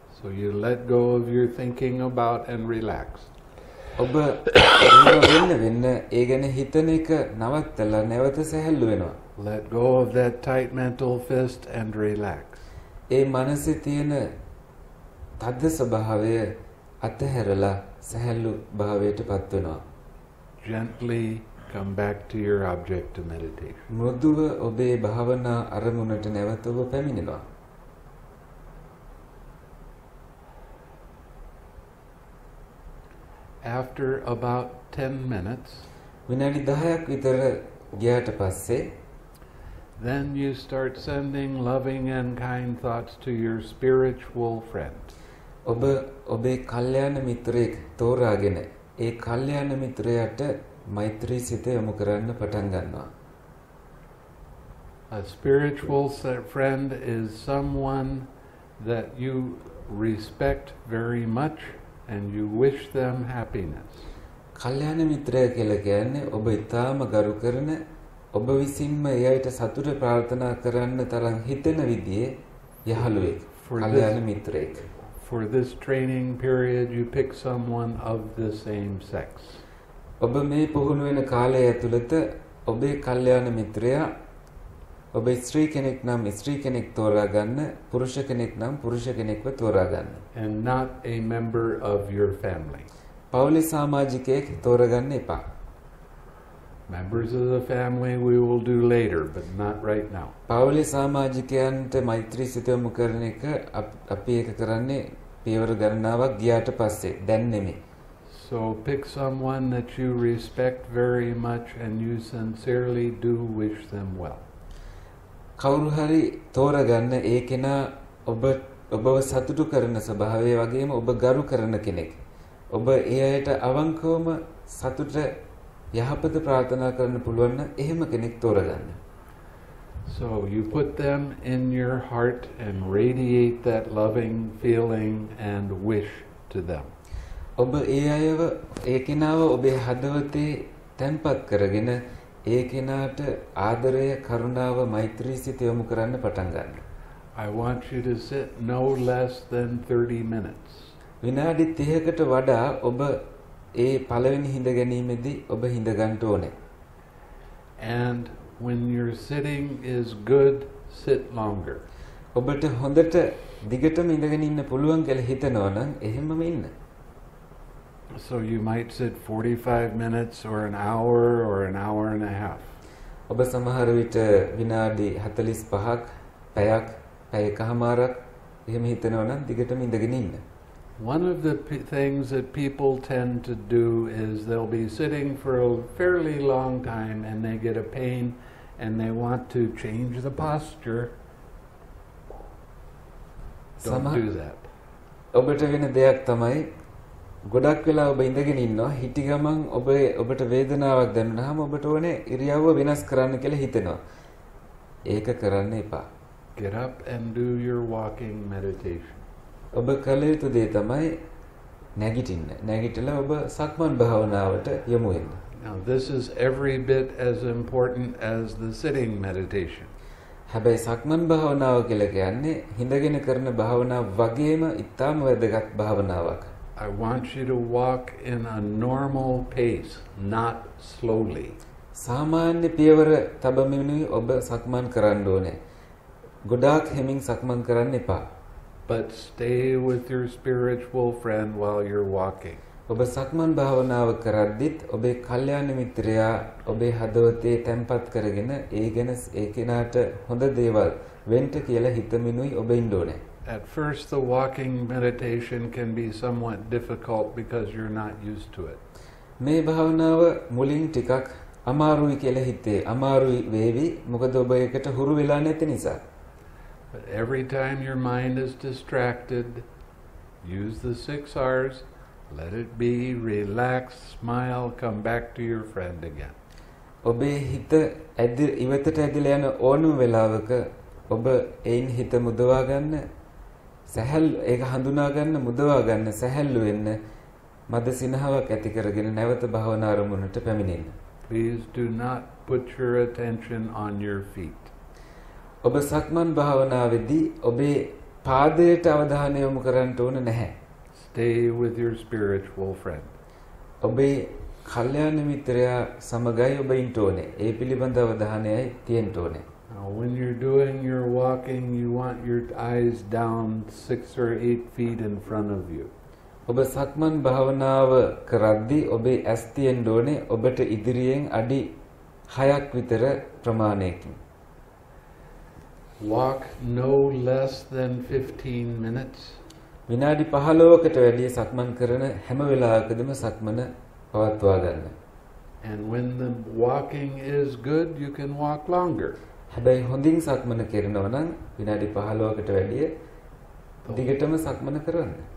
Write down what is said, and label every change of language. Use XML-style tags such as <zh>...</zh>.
<en>So you let go of your thinking about and relax.</en> <si>ඔබ ඒක වෙන්න වෙන්න ඒ ගැන හිතන එක නවත්තලා නැවත සැහැල්ලු වෙනවා.</si> <en>Let go of that tight mental fist and relax.</en> <si>ඒ මනසේ තියෙන තද ස්වභාවය අතහැරලා සැහැල්ලු භාවයට පත් වෙනවා.</si> <en>Gently come back to your object to meditate.</en> <si>මෘදුව ඔබේ භාවනා අරමුණට නැවත ඔබ පැමිණෙනවා.</si> <en>After about 10 minutes,</en> <si>විනාඩි 10ක් විතර ගියාට පස්සේ</si> <en>Then you start sending loving and kind thoughts to your spiritual friend.</en> <si>ඔබ ඔබේ කල්යාණ මිත්‍රයෙක් තෝරාගෙන ඒ කල්යාණ මිත්‍රයාට මෛත්‍රී සිත යොමු කරන්න පටන් ගන්නවා.</si> <en>A spiritual friend is someone that you respect very much and you wish them happiness.</en> <si>කල්යාණ මිත්‍රයා කියලා කියන්නේ ඔබ ඉතාම ගරු කරන ඔබ විසින්ම ඒ අයට සතුට ප්‍රාර්ථනා කරන්න තරම් හිතෙන විදිහේ යහළුවෙක්. කල්යාණ මිත්‍රයෙක්.</si> <en>For this training period, you pick someone of the same sex.</en> <si>ඔබ මේ පුහුණු වෙන කාලය ඇතුළත ඔබේ කල්යාණ මිත්‍රයා ඔබ ස්ත්‍රී කෙනෙක් නම් ස්ත්‍රී කෙනෙක් තෝරා ගන්න පුරුෂ කෙනෙක් නම් පුරුෂ කෙනෙක්ව තෝරා ගන්න.</si> <en>And not a member of your family.</en> <si>පවුලේ සමාජිකයෙක් තෝරා ගන්න එපා.</si> <en>Members of the family we will do later, but not right now.</en> <si>පවුලේ සමාජිකයන්ට මෛත්‍රී සිත යොමු කරන එක අපි ඒක කරන්නේ පියවර ගණනාවක් ගියාට පස්සේ දැන් නෙමෙයි.</si> <en>So pick someone that you respect very much and you sincerely do wish them well.</en> <si>කවුරු හරි තෝරගන්න ඒ කෙනා ඔබ ඔබව සතුටු කරන ස්වභාවය වගේම ඔබ ගරු කරන කෙනෙක්. ඔබ ඒ අයට අවංකවම සතුට යහපත ප්‍රාර්ථනා කරන්න පුළුවන් නම් එහෙම කෙනෙක් තෝරගන්න.</si> <en>So you put them in your heart and radiate that loving feeling and wish to them.</en> <si>ඔබ ඒ අයව ඒ කෙනාව ඔබේ හදවතේ තැන්පත් කරගෙන ඒ කෙනාට ආදරය කරුණාව මෛත්‍රී සිත යොමු කරන්න පටන් ගන්න.</si> <en>I want you to sit no less than 30 minutes.</en> <si>විනාඩි 30කට වඩා ඔබ ඒ පළවෙනි හිඳ ගැනීමේදී ඔබ හිඳ ගන්න ඕනේ.</si> <en>And when your sitting is good, sit longer.</en> <si>ඔබට හොඳට දිගටම ඉඳගෙන ඉන්න පුළුවන් කියලා හිතනවා නම් එහෙමම ඉන්න.</si> <en>So you might sit 45 minutes or an hour or an hour and a half.</en> <si>ඔබ සමහර විට විනාඩි 45ක් පැයක් පැයකමාරක් එහෙම හිතනවා නම් දිගටම ඉඳගෙන ඉන්න.</si> <en>One of the things that people tend to do is they'll be sitting for a fairly long time and they get a pain and they want to change the posture. Don't do that.</en> <si>ඔබට වෙන දෙයක් තමයි ගොඩක් වෙලා ඔබ ඉඳගෙන ඉන්නවා හිටි ගමන් ඔබට වේදනාවක් දැනුනහම ඔබට ඕනේ ඉරියව්ව වෙනස් කරන්න කියලා හිතෙනවා. ඒක කරන්න එපා.</si> <en>Get up and do your walking meditation.</en> <si>ඔබ කළ යුතු දේ තමයි නැගිටින්න. නැගිටලා ඔබ සක්මන් භාවනාවට යොමු වෙන්න.</si> <en>Now this is every bit as important as the sitting meditation.</en> <si>හැබැයි සක්මන් භාවනාව කියලා කියන්නේ හිඳගෙන කරන භාවනාව වගේම ඉතාම වැදගත් භාවනාවක්.</si> <en>I want you to walk in a normal pace, not slowly.</en> <si>සාමාන්‍ය පියවර තබමින් ඔබ සක්මන් කරන්න ඕනේ. ගොඩාක් හෙමින් සක්මන් කරන්න එපා.</si> <en>But stay with your spiritual friend while you're walking.</en> <si>ඔබ සක්මන් භාවනාව කරද්දිත් ඔබේ කල්යාණ මිත්‍රයා ඔබේ හදවතේ තැන්පත් කරගෙන ඒගෙන ඒ කෙනාට හොඳ දේවල් වෙන්න කියලා හිතමිනුයි ඔබ ඉන්න ඕනේ.</si> <en>At first the walking meditation can be somewhat difficult because you're not used to it.</en> <si>මේ භාවනාව මුලින් ටිකක් අමාරුයි කියලා හිතේ. අමාරුයි වේවි. මොකද ඔබ ඒකට හුරු වෙලා නැති නිසා.</si> <en>But every time your mind is distracted, use the 6 R's, let it be, relax, smile, come back to your friend again.</en> <si>ඔබේ හිත ඉවතට ඇදලා යන ඕනම වෙලාවක ඔබ එයින් හිත මුදවා ගන්න සැහැල් ඒක හඳුනා ගන්න මුදවා ගන්න සැහැල්ලු වෙන්න මද සිනහාවක් ඇති කරගෙන නැවත භවනා අරමුණට පැමිණෙන්න.</si> <en>Please do not put your attention on your feet.</en> <si>ඔබ සක්මන් භාවනාවේදී ඔබේ පාදයට අවධානය යොමු කරන්න ඕන නැහැ.</si> <en>Stay with your spiritual friend.</en> <si>ඔබේ කල්යාණ මිත්‍රයා සමගයි ඔබ ඉන්න ඕනේ. ඒ පිළිබඳ අවධානයයි තියෙන්න ඕනේ.</si> <en>Now when you're doing your walking, you want your eyes down 6 or 8 feet in front of you.</en> <si>ඔබ සක්මන් භාවනාව කරද්දී ඔබේ ඇස් තියෙන්න ඕනේ ඔබට ඉදිරියෙන් අඩි 6ක් විතර ප්‍රමාණයකින්.</si> <en>Walk no less than 15 minutes.</en> <si>විනාඩි 15කට වැඩිය සක්මන් කරන හැම වෙලාවකදීම සක්මන පවත්වා ගන්න.</si> <en>And when the walking is good, you can walk longer.</en> <si>හැබැයි හොඳින් සක්මන කරනවා නම් විනාඩි 15කට වැඩිය දිගටම සක්මන කරන්න.</si>